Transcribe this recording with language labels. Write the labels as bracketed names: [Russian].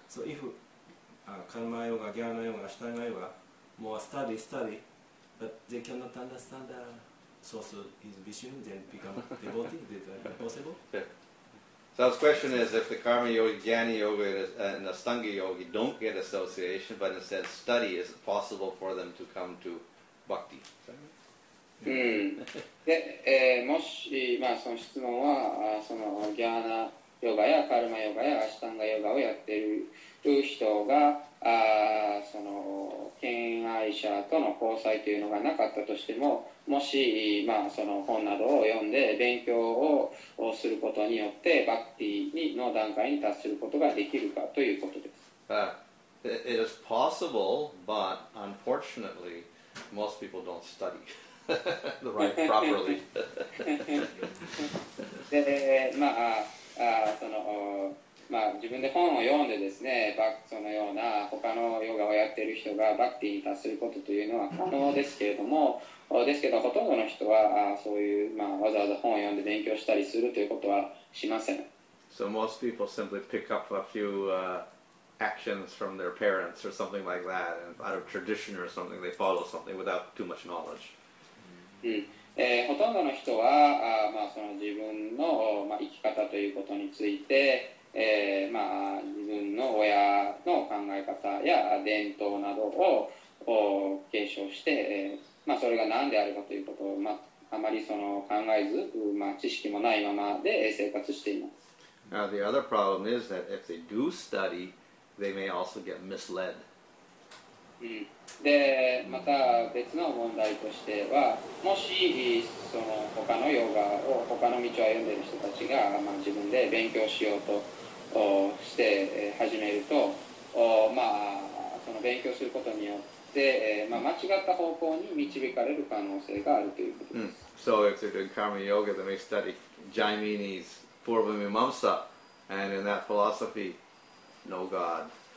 [English] So if karma yoga, jnana yoga, ashtanga yoga, more study, but they cannot understand the source is Vishnu, then become devotee, is that possible? Yeah. So his question is, if the karma yoga, jnana yoga, and ashtanga yoga don't get association, but instead study, is it possible for them to come to bhakti? [Japanese] もし、まあ、その質問は、そのギャーナヨガやカルマヨガやアシタンガヨガをやっている人が、その敬愛者との交際というのがなかったとしても、もし、まあ、その本などを読んで勉強をすることによってバクティの段階に達することができるかということです。 [English] It is possible, but unfortunately, most people don't study the right properly. で、まあ、その [Japanese] まあ、自分で本を読んでですね、そのような他のヨガをやっている人がバクティに達することというのは可能ですけれども、ですけどほとんどの人はそういう、まあ、わざわざ本を読んで勉強したりするということはしません。 [English] So most people simply pick up a few actions from their parents or something like that, out of tradition or something, they follow something without too much knowledge. [Japanese] ほとんどの人は、まあ、その自分の、まあ、生き方ということについて、まあ、自分の親の考え方や伝統などを継承して、まあ、それが何であるかということを、まあ、あまりその考えず、まあ、知識もないままで生活しています。 [English] Now the other problem is that if they do study, they may also get misled. [Japanese] で、また別の問題としては、もしその他のヨガを他の道を歩んでいる人たちが、まあ、自分で勉強しようとして始めると、まあその勉強することによって、まあ、間違った方向に導かれる可能性があるということです。 [English] So if they're doing karma yoga, they may study Jaimini's Purva Mimamsa, and in that philosophy, no God.